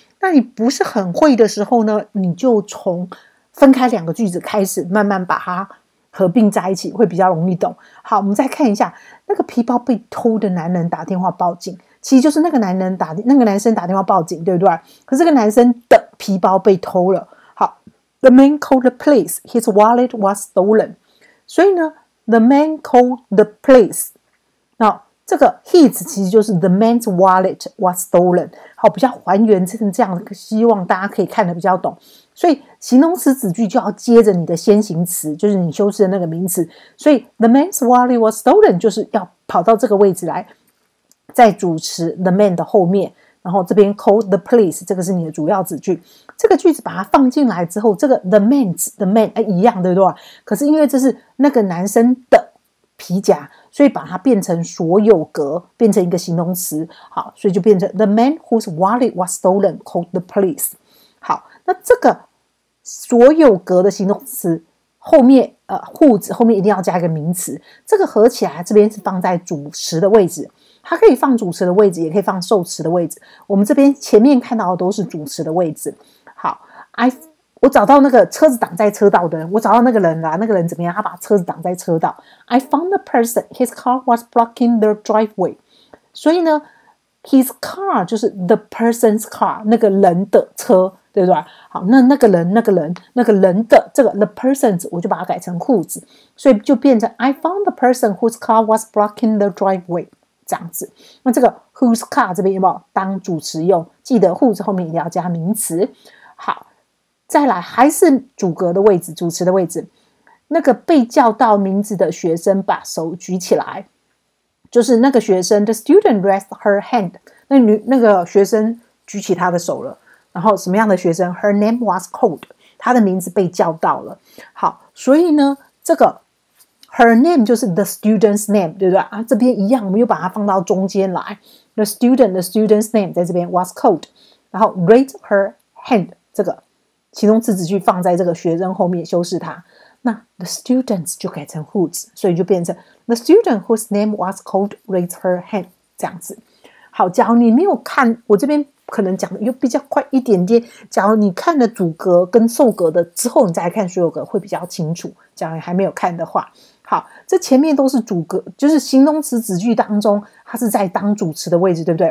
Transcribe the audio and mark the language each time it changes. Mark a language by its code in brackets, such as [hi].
[zh] 那你不是很会的时候呢，你就从分开两个句子开始，慢慢把它合并在一起，会比较容易懂。好，我们再看一下那个皮包被偷的男人打电话报警，其实就是那个男人打那个男生打电话报警，对不对？可是这个男生的皮包被偷了。 [en] The man called the police. His wallet was stolen. [zh] 所以呢 [en] ，the man called the police. [zh] 那这个 [en] his [zh] 其实就是 [en] the man's wallet was stolen. [zh] 好，比较还原成这样，希望大家可以看得比较懂。所以形容词子句就要接着你的先行词，就是你修饰的那个名词。所以 [en] the man's wallet was stolen [zh] 就是要跑到这个位置来，在主词 the man 的后面。然后这边 [en] called the police， [zh] 这个是你的主要子句。这个句子把它放进来之后，这个 the man 一样，对不对？可是因为这是那个男生的皮夹，所以把它变成所有格，变成一个形容词。好，所以就变成 [en] the man whose wallet was stolen called the police。 [zh] 好，那这个所有格的形容词后面whose 后面一定要加一个名词，这个合起来这边是放在主词的位置，它可以放主词的位置，也可以放受词的位置。我们这边前面看到的都是主词的位置。好， I 我找到那个车子挡在车道的人，我找到那个人啦，那个人怎么样？他把车子挡在车道。 [en] I found the person. His car was blocking the driveway. [zh] 所以呢 ， [en] his car [zh] 就是 [en] the person's car， [zh] 那个人的车，对不对？好，那那个人的这个 the person's， 我就把它改成 whose， 所以就变成 [en] I found the person whose car was blocking the driveway。 [zh] 这样子，那这个 [en] whose car [zh] 这边有没有当主词用？记得 whose 后面一定要加名词。好，再来还是主格的位置，主词的位置。那个被叫到名字的学生把手举起来，就是那个学生 [en] the student raised her hand， [zh] 那个学生举起他的手了。然后什么样的学生？ [en] her name was called， [zh] 他的名字被叫到了。好，所以呢这个Her name 就是 [en] the student's name， [zh] 对不对啊？这边一样，我们又把它放到中间来。 [en] The student's name [zh] 在这边 [en] was called， [zh] 然后 [en] raise her hand [zh] 这个形容词子句放在这个学生后面修饰它。那 [en] the students [zh] 就改成 [en] whose， [zh] 所以就变成 [en] the student whose name was called raise her hand [zh] 这样子。好，假如你没有看我这边，可能讲的又比较快一点点。假如你看了主格跟受格的之后，你再来看所有格会比较清楚。假如你还没有看的话。好，这前面都是主格，就是形容词子句当中它是在当主词的位置，对不对？